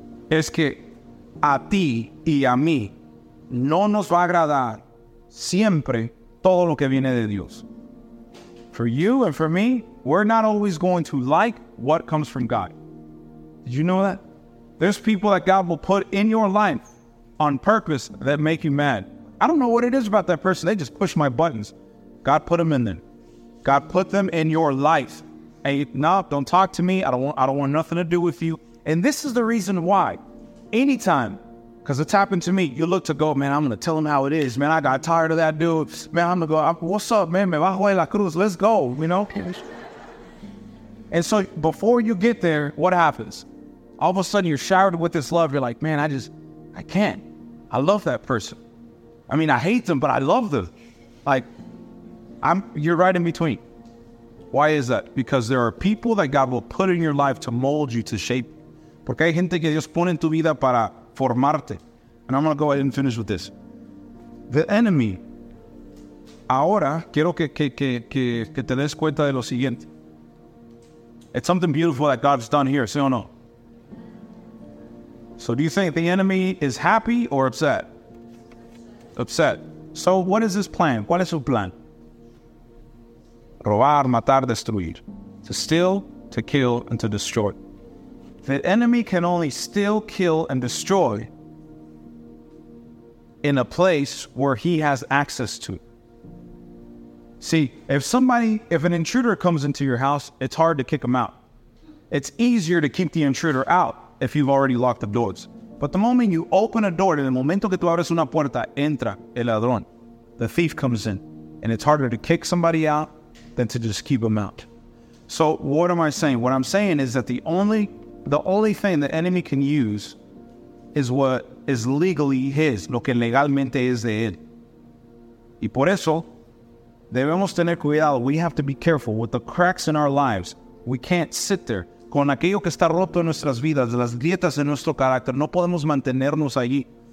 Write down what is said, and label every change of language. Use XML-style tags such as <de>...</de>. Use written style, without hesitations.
<es>es que a ti y a mí no nos va a agradar siempre todo lo que viene de Dios.</es> <en>For you and for me, we're not always going to like what comes from God. Did you know that? There's people that God will put in your life on purpose that make you mad. I don't know what it is about that person. They just push my buttons. God put them in there. God put them in your life. Hey, no, don't talk to me. I don't want nothing to do with you. And this is the reason why. Anytime, because it's happened to me, you look to go, man, I'm going to tell him how it is. Man, I got tired of that dude. Man, I'm going to go, what's up, man?</en> <es>Me bajo de la cruz.</es> <en>Let's go, you know? And so before you get there, what happens? All of a sudden, you're showered with this love. You're like, man, I can't. I love that person. I mean, I hate them, but I love them. Like, you're right in between. Why is that? Because there are people that God will put in your life to mold you, to shape you.</en> <es>Porque hay gente que Dios pone en tu vida para formarte.</es> <en>And I'm going to go ahead and finish with this. The enemy.</en> <es>Ahora, quiero que te des cuenta de lo siguiente.</es> <en>It's something beautiful that God's done here,</en> <es>¿sí o no?</es> <en>So do you think the enemy is happy or upset? Upset. So what is his plan?</en> <es>¿Cuál es su plan? Robar, matar, destruir.</es> <en>To steal, to kill, and to destroy. The enemy can only steal, kill, and destroy in a place where he has access to. See, if an intruder comes into your house, it's hard to kick him out. It's easier to keep the intruder out if you've already locked the doors. But the moment you open a door,</en> <es>en el momento que tú abres una puerta, entra el ladrón.</es> <en>The thief comes in, and it's harder to kick somebody out than to just keep them out. So what am I saying? What I'm saying is that the only The only thing the enemy can use is what is legally his,</en> <es>lo que legalmente es de él. Y por eso, debemos tener cuidado.</es> <en>We have to be careful with the cracks in our lives. We can't sit there.</en> <es>Con aquello que está roto en nuestras vidas, las grietas en nuestro carácter, no podemos mantenernos allí.</es>